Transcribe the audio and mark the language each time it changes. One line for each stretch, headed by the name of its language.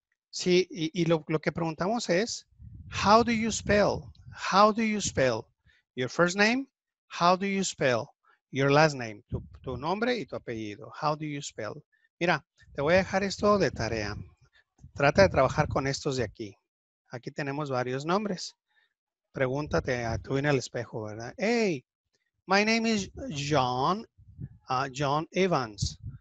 Spanish: Sí, y lo que preguntamos es,
English: how do you spell? How do you spell your first name? How do you spell your last name?
Spanish: Tu nombre y tu apellido.
English: How do you spell?
Spanish: Mira, te voy a dejar esto de tarea. Trata de trabajar con estos de aquí. Aquí tenemos varios nombres. Pregúntate a tú en el espejo, ¿verdad? Hey,
English: My name is John, John Evans.